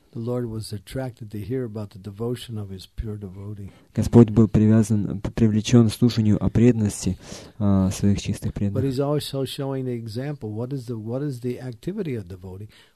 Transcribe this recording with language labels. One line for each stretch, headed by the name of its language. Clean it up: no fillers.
English: The Lord was attracted to hear about the devotion of His pure devotee.
Russian: Господь был привлечен слушанию о преданности своих чистых преданных.
English: But He's also showing the example. What is the activity of devotee?